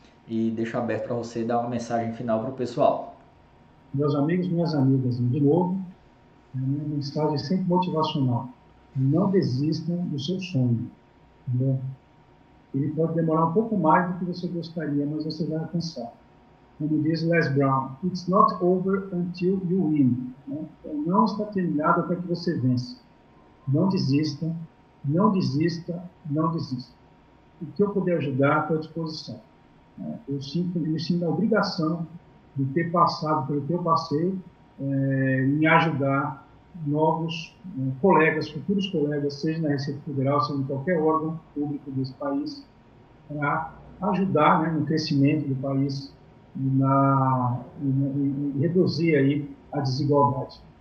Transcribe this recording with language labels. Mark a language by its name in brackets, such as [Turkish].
[Portuguese] E deixo aberto para você dar uma mensagem final para o pessoal. Meus amigos, minhas amigas, de novo, é uma mensagem sempre motivacional. Não desistam do seu sonho. Né? Ele pode demorar um pouco mais do que você gostaria, mas você vai alcançar. Como diz [English] Les Brown, it's not over until you win. [Portuguese] Né? Não está terminado até que você vença. Não desista, não desista, não desista. O que eu puder ajudar, estou à disposição. Eu me sinto na obrigação de ter passado pelo que eu passei, em ajudar novos colegas, futuros colegas, seja na Receita Federal, seja em qualquer órgão público desse país, para ajudar, né, no crescimento do país e reduzir aí a desigualdade.